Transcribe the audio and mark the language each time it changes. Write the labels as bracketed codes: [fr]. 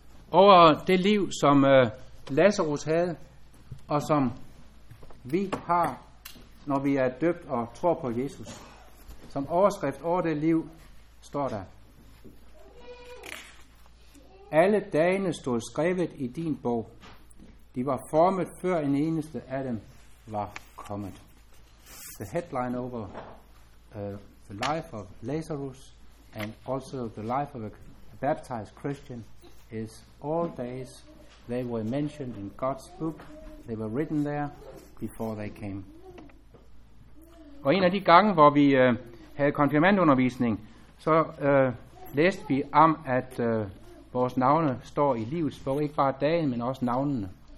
[da] Over det liv, som Lazarus havde, og som vi har, når vi er døbt og tror på Jesus. Som overskrift over det liv står der. Alle dagene stod skrevet i din bog. De var formet, før en eneste af dem var kommet. [en] The headline over the life of Lazarus and also the life of a baptized Christian is all days they were mentioned in God's book. They were written there before they came. [da] Og en af de gange, hvor vi havde konfirmandundervisning, så læste vi om, at vores navne står i livets bog, ikke bare dagen, men også navnene.